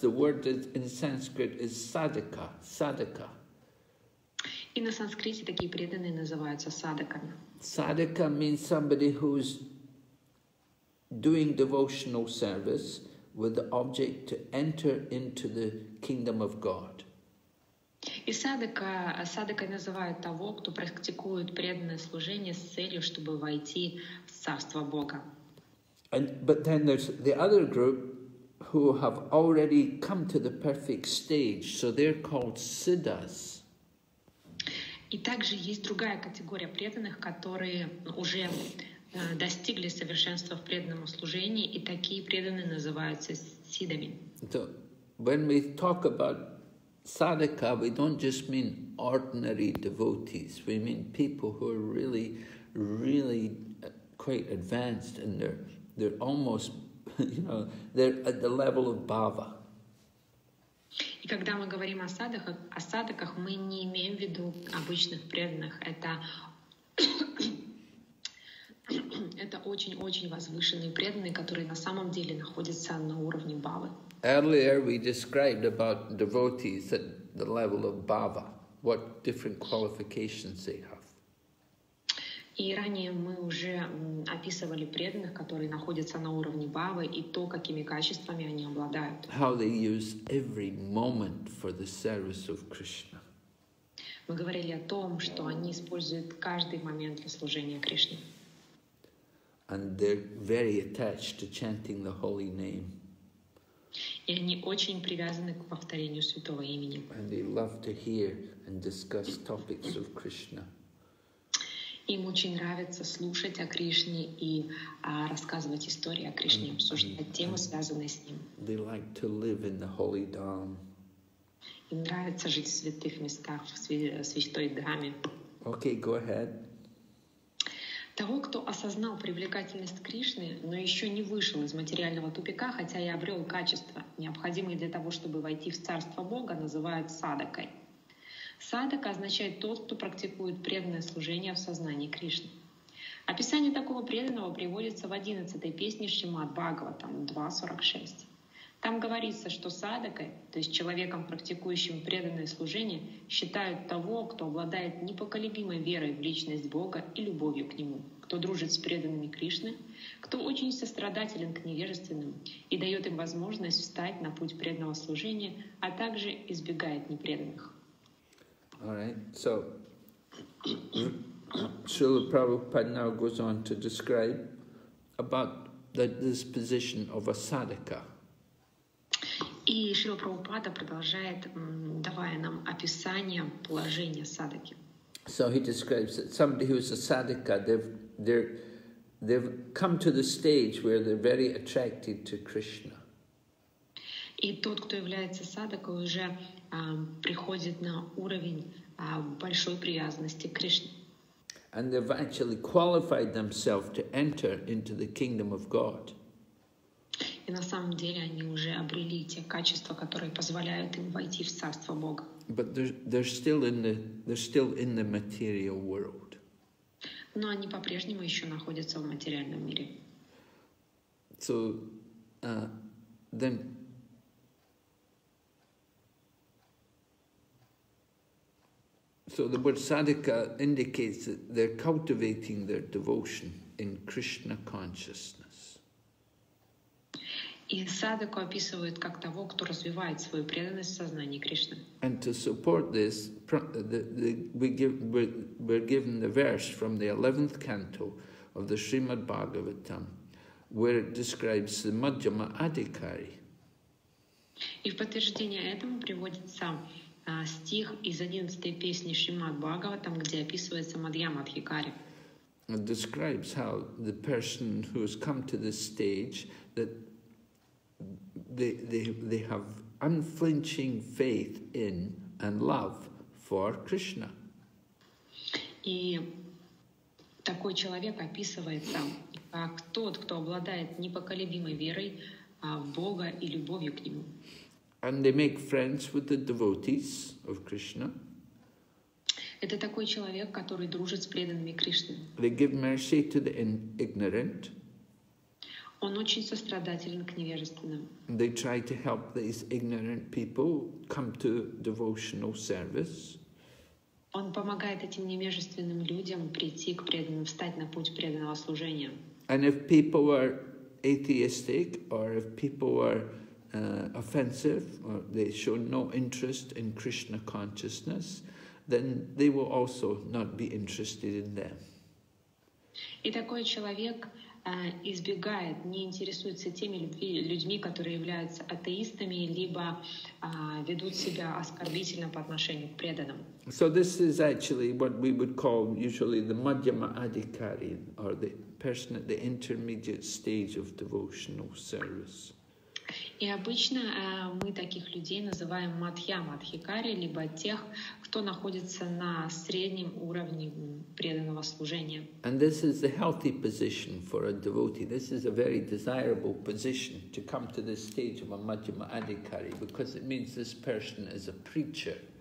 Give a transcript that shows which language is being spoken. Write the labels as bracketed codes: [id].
[en] The word is, in Sanskrit is sadhaka, sadhaka. [ru] И на санскрите такие преданные называются садхаками. [en] Sadhaka means somebody who's doing devotional service with the object to enter into the kingdom of God. [ru] И садхака называют того, кто практикует преданное служение с целью, чтобы войти в царство Бога. [en] And, but then there's the other group who have already come to the perfect stage, so they're called siddhas. [ru] И также есть другая категория преданных, которые уже достигли совершенства в преданном служении, и такие преданные называются сиддами. [en] So when we talk about sadhaka, we don't just mean ordinary devotees. We mean people who are really, really quite advanced in their... They're almost, you know, they're at the level of bhava. [ru] И когда мы говорим о садхаках, мы не имеем в виду обычных преданных. Это очень-очень возвышенные преданные, которые на самом деле находятся на уровне бхавы. [en] Earlier we described about devotees at the level of bhava, what different qualifications they have. [ru] И ранее мы уже описывали преданных, которые находятся на уровне бхавы, и то, какими качествами они обладают. [en] How they use every moment for the service of Krishna. [ru] Мы говорили о том, что они используют каждый момент для служения Кришне. [en] And they're very attached to chanting the holy name. [ru] И они очень привязаны к повторению святого имени. [en] And they love to hear and discuss topics of Krishna. [ru] Им очень нравится слушать о Кришне и рассказывать истории о Кришне, обсуждать темы, связанные с Ним. [en] They like to live in the holy dham. [ru] Им нравится жить в святых местах, в святой дхаме. [en] Okay, go ahead. [ru] Того, кто осознал привлекательность Кришны, но еще не вышел из материального тупика, хотя и обрел качества, необходимые для того, чтобы войти в царство Бога, называют садхакой. Садхака означает тот, кто практикует преданное служение в сознании Кришны. Описание такого преданного приводится в 11-й песне Шримад Бхагаватам 2.46. Там говорится, что садхакой, то есть человеком, практикующим преданное служение, считают того, кто обладает непоколебимой верой в личность Бога и любовью к Нему, кто дружит с преданными Кришны, кто очень сострадателен к невежественным и дает им возможность встать на путь преданного служения, а также избегает непреданных. [en] All right, so Srila Prabhupada now goes on to describe about the disposition of a sadhaka. [ru] И Шрила Прабхупада продолжает, давая нам описание положения садхаки. [en] So he describes that somebody who is a sadhaka, they've come to the stage where they're very attracted to Krishna. [ru] И тот, кто является садхакой, уже приходит на уровень большой привязанности к Кришне. [en] And they've actually qualified themselves to enter into the kingdom of God. [ru] И на самом деле они уже обрели те качества, которые позволяют им войти в царство Бога. [en] But they're still in the material world. [ru] Но они по-прежнему еще находятся в материальном мире. [en] So then. So the word sadhaka indicates that they're cultivating their devotion in Krishna consciousness. [ru] И садхаку описывают как того, кто развивает свою преданность в сознании Кришны. [en] And to support this, we're given the verse from the 11th canto of the Srimad Bhagavatam, where it describes the Madhyama Adhikari. [ru] И в подтверждение этому приводится стих из 11-й песни Шримад Бхагаватам, где описывается Мадьяма Адхикари. [en] It describes how the person who has come to this stage, that they have unflinching faith in and love for Krishna. [ru] И такой человек описывается как тот, кто обладает непоколебимой верой в Бога и любовью к Нему. [en] And they make friends with the devotees of Krishna. [ru] Это такой человек, который дружит с преданными Кришны. [en] They give mercy to the ignorant. [ru] Он очень сострадателен к невежественным. [en] They try to help these ignorant people come to devotional service. [ru] Он помогает этим невежественным людям прийти к преданным, встать на путь преданного служения. [en] And if people are atheistic or if people are offensive or they show no interest in Krishna consciousness, then they will also not be interested in them. [ru] И такой человек избегает, не интересуется теми людьми, которые являются атеистами, либо ведут себя оскорбительно по отношению к преданным. [en] So this is actually what we would call usually the Madhyama Adhikari, or the person at the intermediate stage of devotional service. [ru] И обычно мы таких людей называем Мадхьяма Адхикари, либо тех, кто находится на среднем уровне преданного служения. [en] And this is a healthy position for a devotee. This is a very desirable position to come to this stage of a Madhyama Adhikari, because it means this person is a preacher.